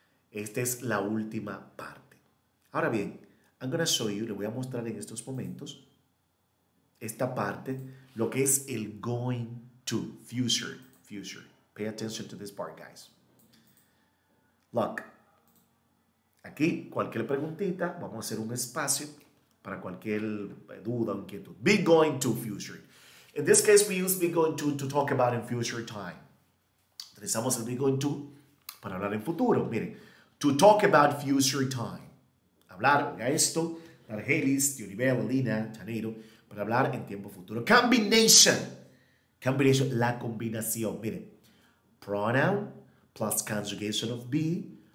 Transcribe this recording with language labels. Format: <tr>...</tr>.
<es>Esta es la última parte. Ahora bien,</es> <en>I'm gonna show you,</en> <es>le voy a mostrar en estos momentos esta parte, lo que es el going to, future.</es> <en>Pay attention to this part, guys. Look.</en> <es>Aquí, cualquier preguntita, vamos a hacer un espacio para cualquier duda, inquietud.</es> <en>Be going to future. In this case, we use be going to talk about in future time.</en> <es>Utilizamos el be going to para hablar en futuro. Miren,</es> <en>to talk about future time.</en> <es>Hablar, oiga esto, Argelis, Dionibel, Lina, Chaneiro, para hablar en tiempo futuro. Combination, la combinación.</es> <en>Miren, pronoun plus conjugation of be.</en>